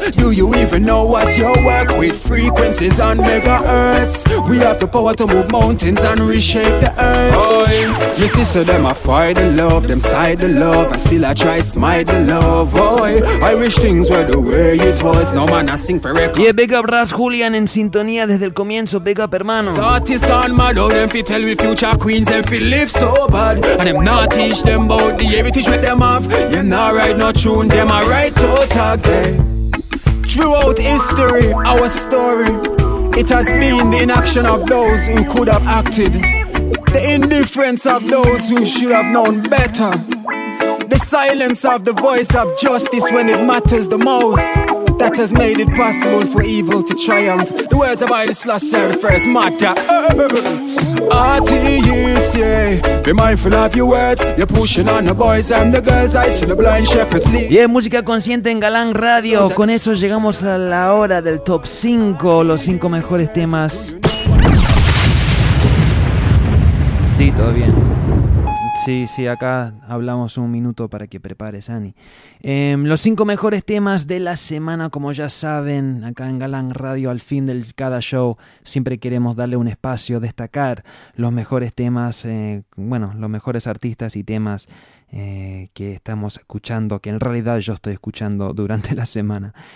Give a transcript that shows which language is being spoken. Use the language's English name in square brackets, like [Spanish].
[English] Do you even know what's your work? With frequencies on megahertz, we have the power to move mountains and reshape the earth. Oi, me sister, them I fight the love, them side the love, and still I try smite the love. Oi, I wish things were the way it was. No man I sing for record. [Spanish] Yeah, [English] big up [Spanish] Ras Julian en sintonía desde el comienzo. [English] Big up hermano. Artists gone mad, oh, them fi tell we future queens, them fi live so bad, and them not teach them about the heritage with them off. You're not right, not tune, them I write to tag them. Throughout history, our story, it has been the inaction of those who could have acted, the indifference of those who should have known better, the silence of the voice of justice when it matters the most, that has made it possible for evil to triumph. The words of Haile Selassie the first, Mother Earth. Artists, yeah, be mindful of your words. You're pushing on the boys and the girls. I see the blind shepherds lead. [Spanish] Yeah, música consciente en Galán Radio. Con eso llegamos a la hora del top 5, los 5 mejores temas. Sí, todo bien. Sí, sí, acá hablamos un minuto para que prepares, Ani. Los 5 mejores temas de la semana, como ya saben, acá en Galán Radio, al fin de cada show, siempre queremos darle un espacio, destacar los mejores temas, bueno, los mejores artistas y temas que estamos escuchando, que en realidad yo estoy escuchando durante la semana.